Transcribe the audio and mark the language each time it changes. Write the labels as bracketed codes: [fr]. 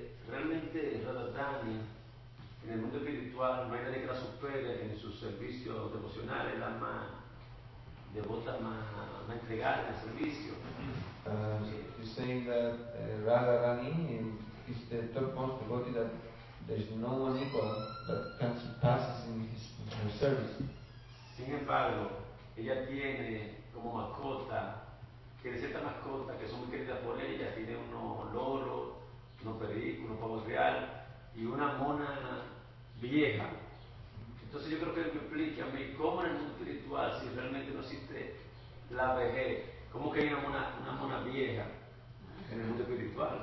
[es] Realmente, Rodotani, en el mundo espiritual, no hay nadie que la supere en sus servicios devocionales, la más devota, más entregada en el servicio. [en] He's saying that Radharani is the topmost devotee, that there's no one equal that can surpass in her service. [es] Sin embargo, ella tiene como mascota, tiene ciertas mascotas que son muy queridas por ella, tiene unos loros, unos perritos, unos pavos real y una mona vieja. Entonces yo creo que él me explique a mí cómo en el mundo espiritual, si realmente no existe la vejez, ¿cómo que hay una mona vieja en el mundo espiritual?